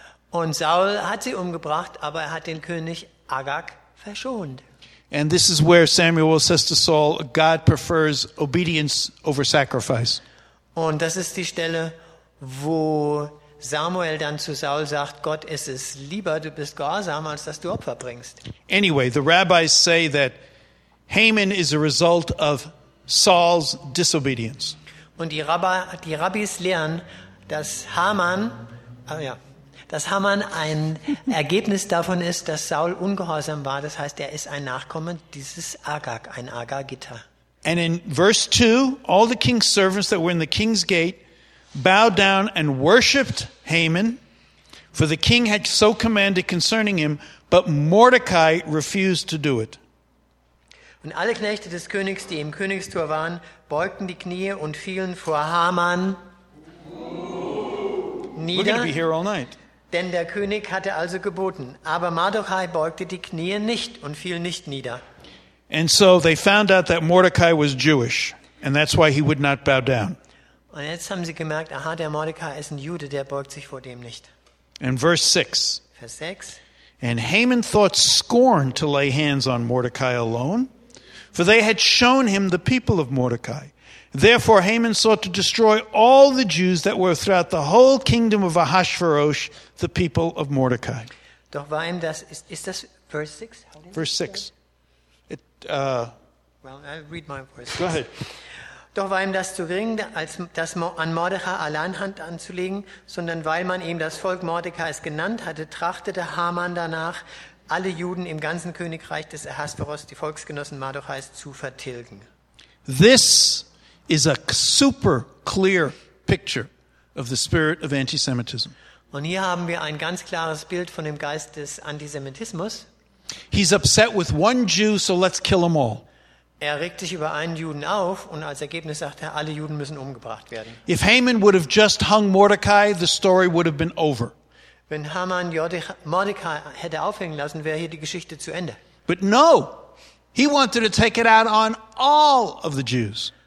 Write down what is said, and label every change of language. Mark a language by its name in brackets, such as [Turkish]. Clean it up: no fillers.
[German] Und Saul hat sie umgebracht, aber er hat den König Agag verschont. [English] And this is where Samuel says to Saul, God prefers obedience over sacrifice. [German] Und das ist die Stelle, wo Samuel dann zu Saul sagt, Gott, es ist lieber, du bist gehorsam, als dass du Opfer bringst. [English] Anyway, the rabbis say that Haman is a result of Saul's disobedience. [German] Und die Rabbis lehren, dass Haman ein Ergebnis davon ist, dass Saul ungehorsam war. Das heißt, er ist ein Nachkomme dieses Agag, ein Agagiter. [English] And in verse 2, all the king's servants that were in the king's gate bowed down and worshipped Haman, for the king had so commanded concerning him, but Mordecai refused to do it. [German] Und alle Knechte des Königs, die im Königstor waren, beugten die Knie und fielen vor Haman nieder. [English] We're going to be here all night. [German] Denn der König hatte also geboten. Aber Mordecai beugte die Knie nicht und fiel nicht nieder. [English] And so they found out that Mordecai was Jewish, and that's why he would not bow down. [German] Und jetzt haben sie gemerkt, aha, der Mordecai ist ein Jude, der beugt sich vor dem nicht. [English] In verse 6. [German] Vers 6. [English] And Haman thought scorn to lay hands on Mordecai alone, for they had shown him the people of Mordecai. Therefore Haman sought to destroy all the Jews that were throughout the whole kingdom of Ahasuerus, the people of Mordecai. [German] Doch war ihm das, ist das Vers 6? [English] Verse 6. I read my verse. Go ahead. [German] Doch war ihm das zu gering, als das an Mordechai allein Hand anzulegen, sondern weil man ihm das Volk Mordecais genannt hatte, trachtete Haman danach, alle Juden im ganzen Königreich des Ahasveros, die Volksgenossen Mordecais, zu vertilgen. [English] This is a super clear picture of the spirit of antisemitism. [German] Und hier haben wir ein ganz klares Bild von dem Geist des Antisemitismus. [English] He's upset with one Jew, so let's kill them all. [German] Er regt sich über einen Juden auf und als Ergebnis sagt er, alle Juden müssen umgebracht werden. [English] If Haman would have just hung Mordecai, the story would have been over. [German] Wenn Haman Mordecai hätte aufhängen lassen, wäre hier die Geschichte zu Ende. [English] But no, he wanted to take it out on all of the Jews.